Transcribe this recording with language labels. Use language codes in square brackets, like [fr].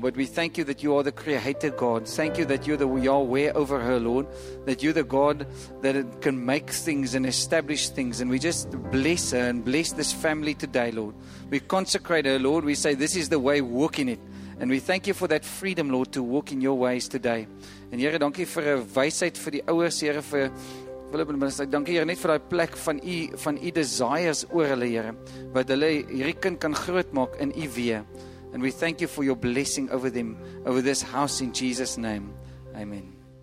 [en] But we thank you that you are the creator, God. Thank you that you're the Yahweh over her, Lord, that you're the God that can make things and establish things. And we just bless her and bless this family today, Lord. We consecrate her, Lord. We say, this is the way, walk in it. And we thank you for that freedom, Lord, to walk in your ways today. [af] And Here, dankie vir 'n wysheid vir die ouers, Here, vir Willem en Melissa. Dankie, Here, net vir daai plek van u desires oor hulle, Here, wat hulle hierdie kind kan grootmaak in u weë. [en] And we thank you for your blessing over them, over this house, in Jesus' name. Amen.